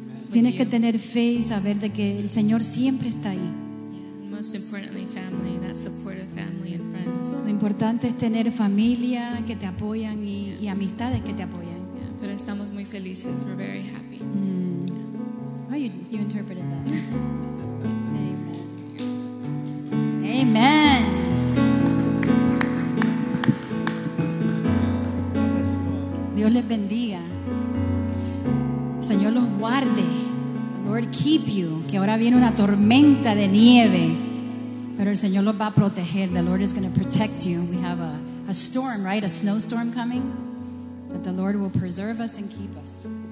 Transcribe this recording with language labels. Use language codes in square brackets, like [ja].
[es] Tienes que tener fe y saber de que el Señor siempre está ahí. [en] Most importantly, family, that supportive family and friends. [es] Lo importante es tener familia que te apoyan y amistades que te apoyan. Yeah, pero estamos muy felices. [en] We're very happy. You interpreted that. Amen. Amen. [es] Dios les bendiga. Señor los guarde. [en] Lord keep you. [es] Que ahora viene una tormenta de nieve. Pero el Señor los va a proteger. [en] The Lord is going to protect you. We have a storm, right? A snowstorm coming. But the Lord will preserve us and keep us.